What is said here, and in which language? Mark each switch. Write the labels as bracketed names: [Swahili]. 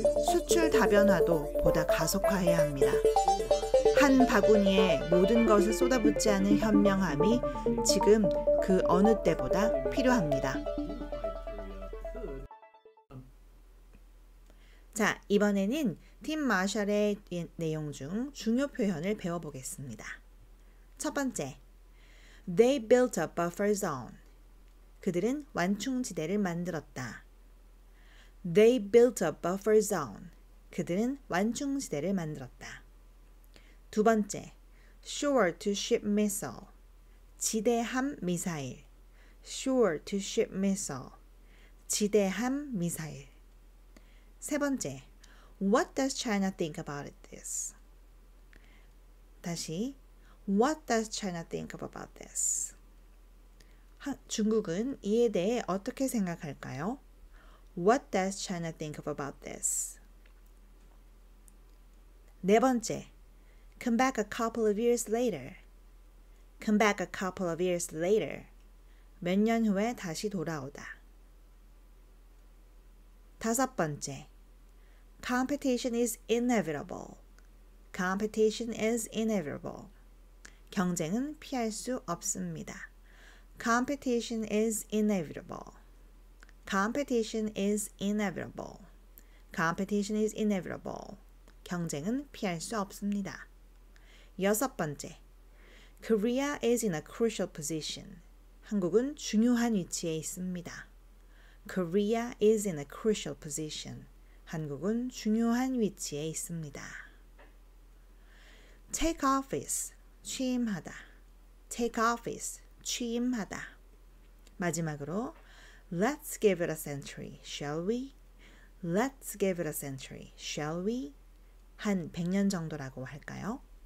[Korean] 수출 다변화도 보다 가속화해야 합니다. 한 바구니에 모든 것을 쏟아붓지 않은 현명함이 지금 그 어느 때보다 필요합니다. 자, 이번에는 팀 마셜의 내용 중 중요 표현을 배워보겠습니다. 첫 번째, [English] They built a buffer zone. [Korean] 그들은 완충지대를 만들었다. [English] They built a buffer zone. [Korean] 그들은 완충지대를 만들었다. 두 번째, [English] Sure to ship missile. [Korean] 지대함 미사일. [English] Sure to ship missile. [Korean] 지대함 미사일. 세 번째, [English] What does China think about this? [Korean] 다시, [English] What does China think about this? [Korean] 중국은 이에 대해 어떻게 생각할까요? [English] What does China think about this? [Korean] 네 번째, [English] Come back a couple of years later. Come back a couple of years later. [Korean] 몇 년 후에 다시 돌아오다. 다섯 번째, [English] Competition is inevitable. Competition is inevitable. [Korean] 경쟁은 피할 수 없습니다. [English] Competition is inevitable. Competition is inevitable. Competition is inevitable. [Korean] 경쟁은 피할 수 없습니다. 여섯 번째, [English] Korea is in a crucial position. [Korean] 한국은 중요한 위치에 있습니다. [English] Korea is in a crucial position. [Korean] 한국은 중요한 위치에 있습니다. [English] Take office, [Korean] 취임하다. [English] Take office, 취임하다. [Korean] 마지막으로, [English] Let's give it a century, shall we? Let's give it a century, shall we? [Korean] 한 100년 정도라고 할까요?